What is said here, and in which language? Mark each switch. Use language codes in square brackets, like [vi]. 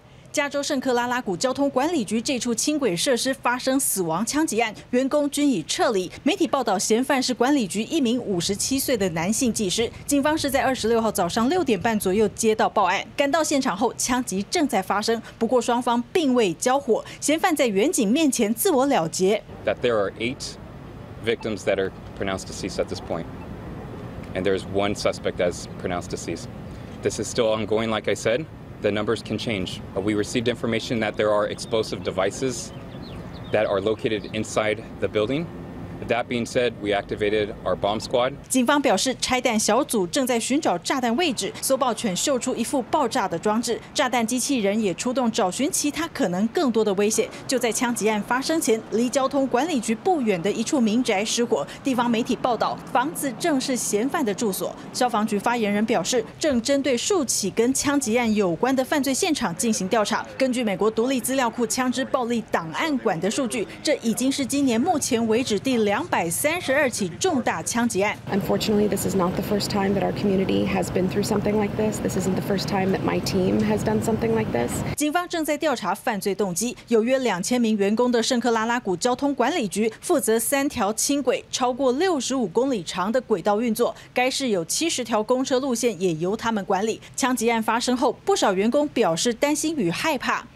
[zh] 加州圣克拉拉谷交通管理局这处轻轨设施发生死亡枪击案，员工均已撤离。媒体报道，嫌犯是管理局一名57岁的男性技师。警方是在26号早上6点半左右接到报案，赶到现场后，枪击正在发生，不过双方并未交火，嫌犯在员警面前自我了结。 [en] That there are 8 victims that are pronounced deceased at this point, and there is one suspect that is pronounced deceased. This is still ongoing, like I said. The numbers can change. We received information that there are explosive devices that are located inside the building. That being said, we activated our bomb squad. [zh] 警方表示，拆弹小组正在寻找炸弹位置。搜爆犬嗅出一副爆炸的装置，炸弹机器人也出动找寻其他可能更多的威胁。就在枪击案发生前，离交通管理局不远的一处民宅失火。地方媒体报道，房子正是嫌犯的住所。消防局发言人表示，正针对数起跟枪击案有关的犯罪现场进行调查。根据美国独立资料库枪支暴力档案馆的数据，这已经是今年目前为止第232起重大枪击案。 [en] Unfortunately, this is not the first time that our community has been through something like this. This isn't the first time that my team has done something like this. [zh] 警方正在调查犯罪动机。有约2000名员工的圣克拉拉谷交通管理局负责3条轻轨、超过65公里长的轨道运作。该市有70条公车路线也由他们管理。枪击案发生后，不少员工表示担心与害怕。